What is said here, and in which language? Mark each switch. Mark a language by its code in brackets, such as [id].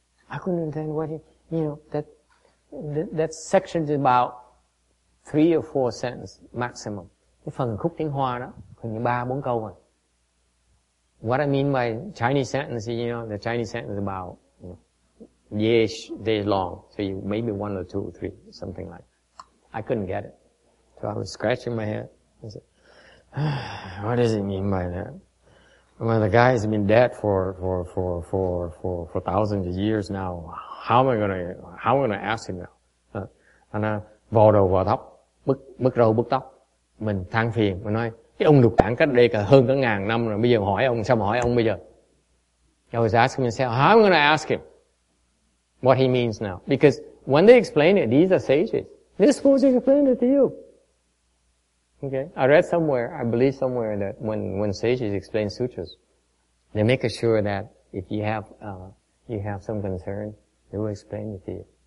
[en] I couldn't understand what he, you know, that section is about 3 or 4 sentences maximum. [vi] Cái phần khúc tiếng Hoa đó, khoảng như 3-4 câu rồi. [en] What I mean by Chinese sentence, you know, the Chinese sentence is about, you know, yeah, they're long, so you maybe 1 or 2 or 3, something like that. I couldn't get it. So I was scratching my head. I said, what does he mean by that? Well, the guy's been dead for thousands of years now. How am I gonna ask him now? [vi] And vò đầu vò tóc, bứt râu bứt tóc, mình than phiền, mình nói cái ông lục đảng cách đây cả hơn cả ngàn năm rồi, bây giờ hỏi ông sao mà hỏi ông bây giờ? [en] I was asking myself, how am I gonna ask him what he means now? Because when they explain it, these are sages. They're supposed to explain it to you. Okay, I read somewhere, I believe somewhere that when sages explain sutras, they make sure that if you have some concern, they will explain it to you.